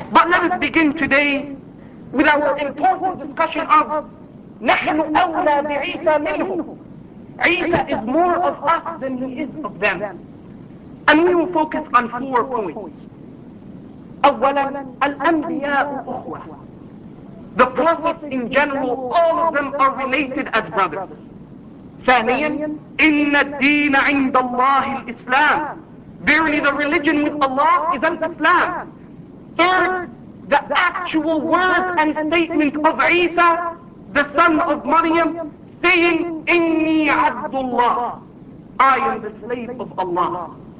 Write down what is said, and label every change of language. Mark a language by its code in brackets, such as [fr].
[en] But let us begin today with our important discussion of [ar] نحن أولى بعيسى منه. [en] Isa is more of us than he is of them. And we will focus on four points. [ar] أولا الأنبياء أخوة. [en] The prophets in general, all of them are related as brothers. [ar] ثانيا إن الدين عند الله الإسلام. [en] Verily the religion with Allah is an Islam. Third, the actual word and statement of Isa the son of Maryam, saying, Inni Abdullah, I am the slave of Allah.